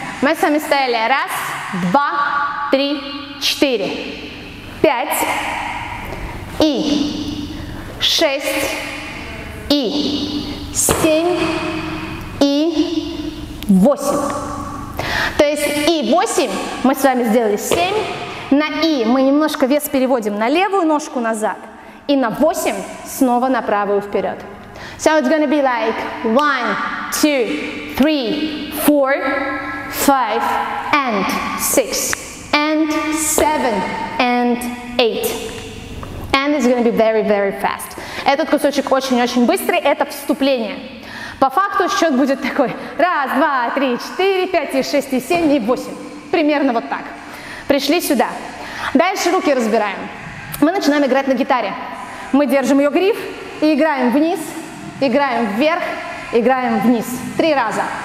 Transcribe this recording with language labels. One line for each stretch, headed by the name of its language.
Russian: Мы с вами стояли 1, 2, 3, 4, 5, и 6, и 7, и 8. То есть и 8 мы с вами сделали 7. На и мы немножко вес переводим на левую ножку назад. И на 8 снова на правую вперед.
English: So it's gonna be like 1, 2, 3, 4, 5, and 6, and 7, and 8. And it's gonna be very, very fast.
Russian: Этот кусочек очень-очень быстрый, это вступление. По факту счет будет такой 1, 2, 3, 4, 5, 6, 7, и 8. Примерно вот так. Пришли сюда. Дальше руки разбираем. Мы начинаем играть на гитаре. Мы держим ее гриф и играем вниз, играем вверх, играем вниз. 3 раза.